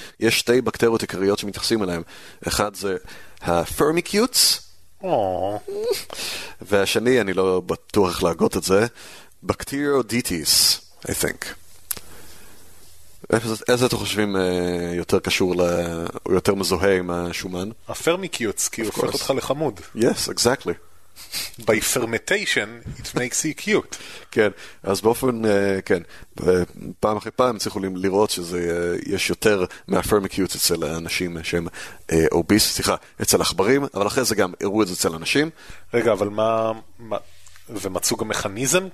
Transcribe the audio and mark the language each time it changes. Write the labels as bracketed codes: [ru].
[he] יש שתי בקטריות עיקריות שמתייחסים אליהם. אחד זה הפרמיקיוטס, והשני, אני לא בטוח איך להגות את זה, בקטריודיטיס, [en] I think. [he] איזה אתם חושבים יותר קשור או יותר מזוהה עם השומן? הפרמיקיוץ, כי הוא הופך אותך לחמוד. [en] Yes, exactly. By fermentation, it makes you cute. [he] כן, אז באופן, כן, פעם אחרי פעם צריכו לראות שזה יש יותר מהפרמיקיוץ אצל אנשים שהם אוביס, סליחה, אצל עכברים, אבל אחרי זה גם הראו את זה אצל אנשים. רגע, אבל מה, ומצאו גם מכניזם?